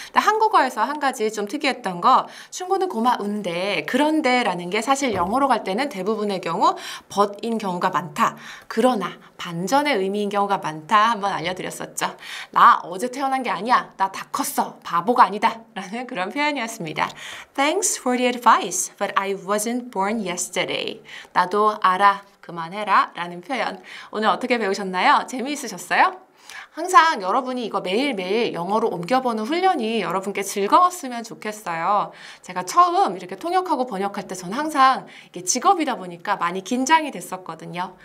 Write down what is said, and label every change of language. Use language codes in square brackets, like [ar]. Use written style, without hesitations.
[ko] 한국어에서 한 가지 좀 특이했던 거 충고는 고마운데 그런데라는 게 사실 영어로 갈 때는 대부분의 경우 but인 경우가 많다. 그러나 반전의 의미인 경우가 많다. 한번 알려드렸었죠. 나 어제 태어난 게 아니야. 나 다 컸어. 바보가 아니다. 라는 그런 표현이었습니다. [en] Thanks for the advice, but I wasn't born yesterday. [ko] 나도 알아. 그만해라 라는 표현 오늘 어떻게 배우셨나요? 재미있으셨어요? 항상 여러분이 이거 매일매일 영어로 옮겨보는 훈련이 여러분께 즐거웠으면 좋겠어요. 제가 처음 이렇게 통역하고 번역할 때 저는 항상 이게 직업이다 보니까 많이 긴장이 됐었거든요.